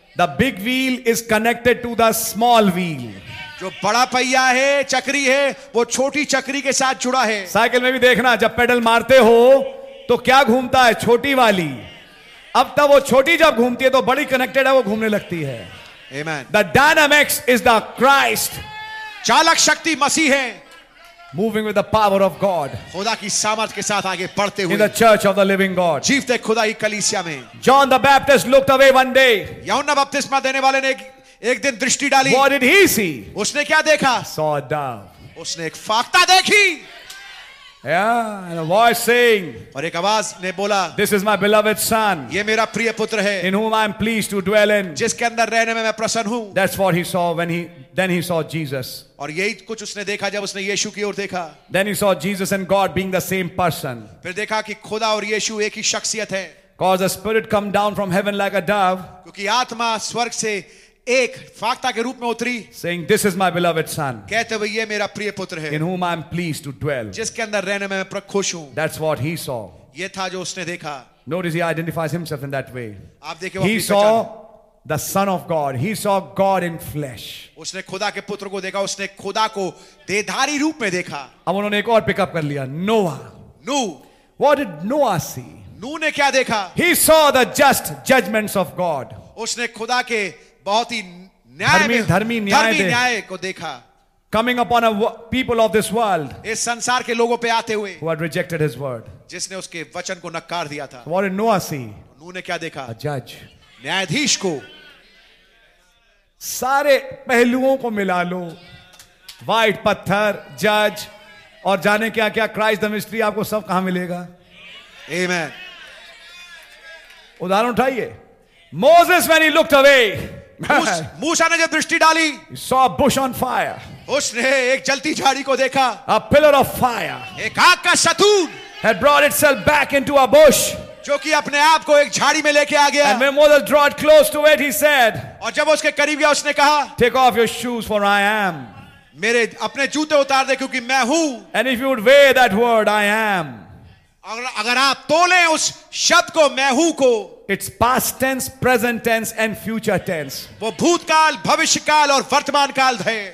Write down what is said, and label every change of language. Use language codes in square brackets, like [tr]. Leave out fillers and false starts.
[en] The big wheel is connected to the small wheel. [hi] जो बड़ा पहिया है, चक्री है, वो छोटी चक्री के साथ जुड़ा है. साइकिल में भी देखना, जब पेडल मारते हो तो क्या घूमता है? छोटी वाली. अब तब वो छोटी जब घूमती है तो बड़ी कनेक्टेड है, वो घूमने लगती है. [en] Amen. The dynamics is the Christ. [hi] चालक शक्ति मसीह है. [en] Moving with the power of God. [hi] खुदा की सामर्थ के साथ आगे बढ़ते हुए. [en] In the church of the living God. [hi] जीवते खुदा की कलीसिया में. [en] John the Baptist looked away one day. [hi] यूहन्ना बपतिस्मा देने वाले ने एक दिन दृष्टि डाली. [en] What did he see? [hi] उसने क्या देखा? [en] Saw a dove. [hi] उसने एक फाख्ता देखी. [en] Yeah, and a voice saying. [hi] और एक आवाज ने बोला. [en] This is my beloved son. [hi] ये मेरा प्रिय पुत्र है. [en] In whom I am pleased to dwell in. [hi] जिसके अंदर रहने में मैं प्रसन्न हूँ. [en] That's what he saw when then he saw Jesus. [hi] और यही कुछ उसने देखा जब उसने यीशु की ओर देखा. [en] Then he saw Jesus and God being the same person. [hi] फिर देखा कि खुदा और यीशु एक ही शख्सियत है. [en] Cause the spirit come down from heaven like a dove. [hi] क्योंकि आत्मा स्वर्ग से एक फाकता के रूप में उतरी, [en] saying, "This is my beloved son, [hi] कहते हुए ये मेरा प्रिय पुत्र है, [en] in whom I am pleased to dwell, [hi] जिसके अंदर रहने में मैं खुश हूं। [en] That's what he saw. [hi] ये था जो उसने देखा। [en] Notice he identifies himself in that way. [hi] आप देखे [en] he saw the son of God. He saw God in flesh. [hi] उसने खुदा के पुत्र को देखा, उसने खुदा को देहधारी रूप में देखा। अब उन्होंने एक और पिकअप कर लिया, नोआ। नू [en] What did Noah see? [hi] नू ने क्या देखा? [en] He saw the just judgments of God. [hi] उसने खुदा के बहुत ही न्याय में धर्मी न्याय को देखा। [en] Coming upon a people of this world, [hi] इस संसार के लोगों पे आते हुए, [en] who had rejected his word, [hi] जिसने उसके वचन को नकार दिया था। [en] What did Noah see? [hi] नू ने क्या देखा? [en] A judge, [hi] न्यायाधीश को। सारे पहलुओं को मिला लो, व्हाइट पत्थर, जज, और जाने क्या क्या, [en] Christ the mystery, [hi] आपको सब कहां मिलेगा? [en] Amen. [hi] उदाहरण उठाइए, [en] Moses when he looked away, [hi] मूसा ने जब दृष्टि डाली, [en] saw a bush on fire, [hi] उसने एक जलती झाड़ी को देखा, [en] a pillar of fire, [hi] एक आग का शतून, [en] had brought itself back into a bush, [hi] जो कि अपने आप को एक झाड़ी में लेके आ गया, [en] and when Moses drew it close to it, he said, [hi] और जब उसके करीब गया, उसने कहा, [en] take off your shoes for I am, [hi] मेरे अपने जूते उतार दे क्योंकि मैं हूं, [en] and if you would wear that word I am, [hi] अगर आप तोले उस शब्द को मैं हूं को, [en] It's past tense, present tense, and future tense. [hi] वो भूतकाल, भविष्यकाल और वर्तमान काल है.